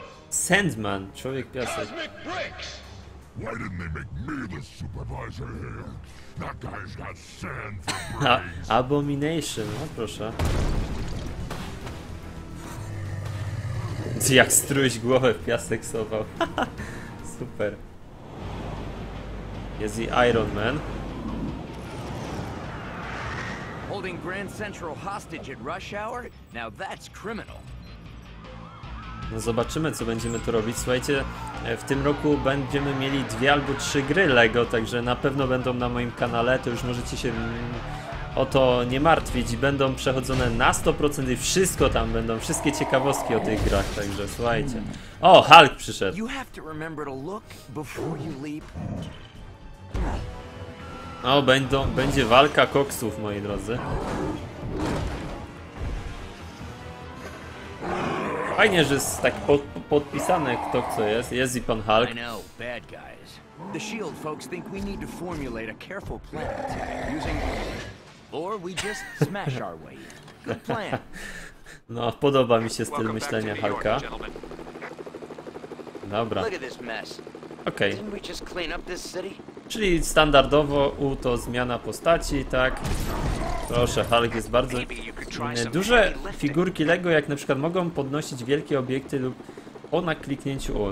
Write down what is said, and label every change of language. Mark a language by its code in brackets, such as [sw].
[pl] Sandman, człowiek piasek. [en] Why didn't they make me the supervisor here? That guy's got sand for brains. [pl] Abomination, no proszę. Jak struś głowę w piasek sował. Super. Jest i Iron Man. [en] Holding Grand Central hostage at rush hour? Now that's criminal. [pl] No zobaczymy, co będziemy tu robić. Słuchajcie, w tym roku będziemy mieli dwie albo trzy gry LEGO, także na pewno będą na moim kanale, to już możecie się o to nie martwić. Będą przechodzone na 100% i wszystko tam będą, wszystkie ciekawostki o tych grach, także słuchajcie. O, Hulk przyszedł. [en] You have to remember to look before you leap. [pl] No, będzie walka koksów, moi drodzy. Fajnie, że jest tak podpisane, kto co jest. Jest i pan Hulk. Wiem, [en] bad guys. The Shield folks think we need to formulate a careful plan. Using Or we just smash our way in. Good plan. [pl] No, podoba mi się styl myślenia Hulka. Dobra. Okej. Okay. Czyli standardowo U to zmiana postaci, tak? Proszę, Hulk jest bardzo... Duże figurki Lego, jak na przykład, mogą podnosić wielkie obiekty lub po nakliknięciu U.